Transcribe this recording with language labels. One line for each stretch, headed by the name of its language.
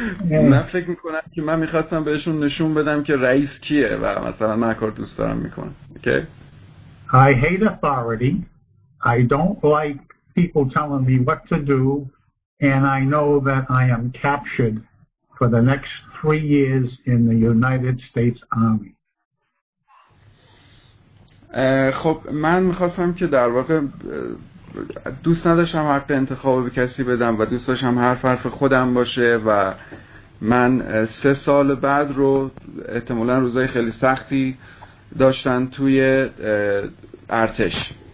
Persian: من فکر میکنم که من میخواستم بهشون نشون بدم که رئیس کیه و مثلا من کار دوست دارم میکنم. اوکی؟
English: I hate authority. I don't like people telling me what to do, and I know that I am captured for the next 3 years in the United States Army.
Persian: خب من می‌خواستم که در واقع دوست نداشتم حق انتخاب به کسی بدم و دوست داشتم حرف خودم باشه و من 3 سال بعد رو احتمالاً روزای خیلی سختی داشتن توی ارتش.